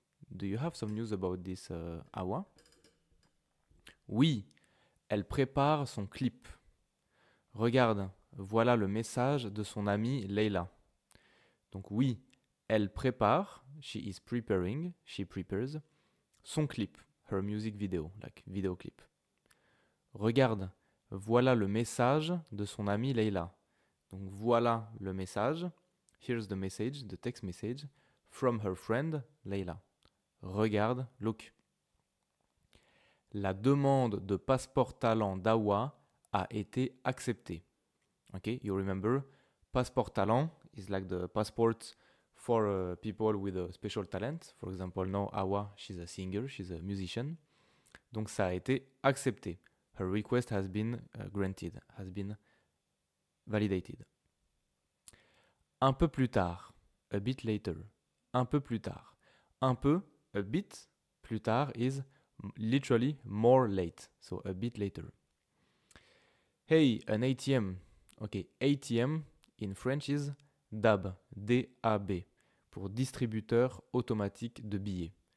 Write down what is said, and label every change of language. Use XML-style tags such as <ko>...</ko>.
<en>Do you have some news about this Awa?</en> <fr>Oui, elle prépare son clip. Regarde, voilà le message de son amie Leila. Donc oui, elle prépare,</fr> <en>she is preparing, she prepares,</en> <fr>son clip,</fr> <en>her music video, like video clip.</en> <fr>Regarde. Voilà le message de son amie Leila. Donc voilà le message.</fr> <en>Here's the message, the text message from her friend Leila.</en> <fr>Regarde,</fr> <en>look.</en> <fr>La demande de passeport talent d'Awa a été acceptée.</fr> <en>OK, you remember? Passeport talent is like the passport for people with a special talent. For example, now Awa, she's a singer, she's a musician.</en> <fr>Donc ça a été accepté.</fr> <en>Her request has been granted, has been validated.</en> <fr>Un peu plus tard,</fr> <en>a bit later,</en> <fr>un peu plus tard. Un peu,</fr> <en>a bit,</en> <fr>plus tard</fr> <en>is literally more late, so a bit later. Hey, an ATM. OK, ATM in French is DAB, DAB,</en> <fr>pour distributeur automatique de billets.</fr>